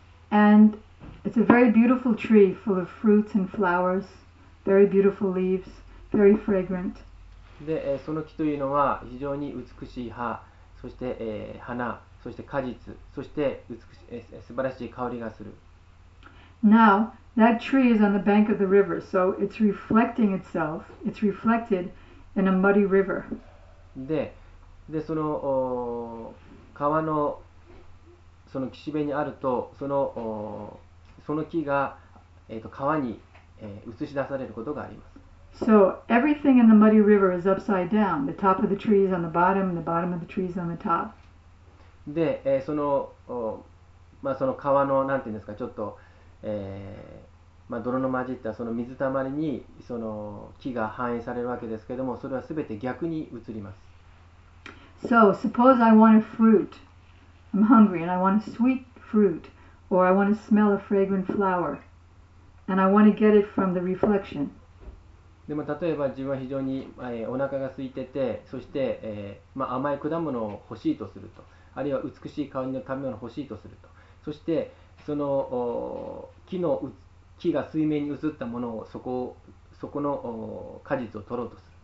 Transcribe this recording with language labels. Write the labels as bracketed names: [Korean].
[English] And it's a very beautiful tree full of fruits and flowers, very beautiful leaves, very fragrant. [Japanese] で、その木というのは非常に美しい葉、そして、花、そして果実、そして美し、素晴らしい香りがする。 [English] Now, that tree is on the bank of the river, so it's reflecting itself, it's reflected in a muddy river. [Japanese] で、その川のその岸辺にあると、その木が、川に、映し出されることがあります。 [English] So everything in the muddy river is upside down. The top of the tree is on the bottom, the bottom of the tree is on the top. [Japanese] で、その、まあ、その川のなんていうんですか、ちょっと、まあ、泥の混じったその水たまりにその木が反映されるわけですけれども、それはすべて逆に移ります。 [English] So suppose I want a fruit. I'm hungry and I want a sweet fruit, or I want to smell a fragrant flower, and I want to get it from the reflection. [Japanese] でも例えば自分は非常に、お腹が空いてて、そして、まあ、甘い果物を欲しいとすると、あるいは美しい香りの食べ物を欲しいとすると、そしてその木が水面に映ったものをそこの果実を取ろうとする。